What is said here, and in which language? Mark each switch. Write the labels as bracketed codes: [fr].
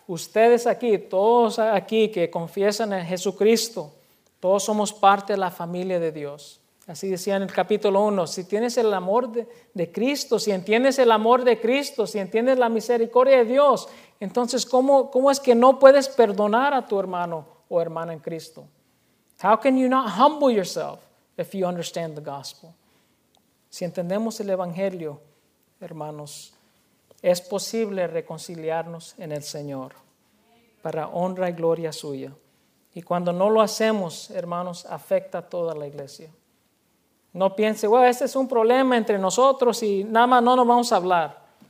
[es] Ustedes aquí, todos aquí que confiesan en Jesucristo, todos somos parte de la familia de Dios. Así decía en el capítulo 1, si tienes el amor de Cristo, si entiendes el amor de Cristo, si entiendes la misericordia de Dios, entonces, ¿cómo es que no puedes perdonar a tu hermano o hermana en Cristo? [en] How can you not humble yourself if you understand the gospel? [es] Si entendemos el Evangelio, hermanos, es posible reconciliarnos en el Señor para honra y gloria suya. Y cuando no lo hacemos, hermanos, afecta a toda la iglesia. No piense, bueno, este es un problema entre nosotros y nada más no nos vamos a hablar.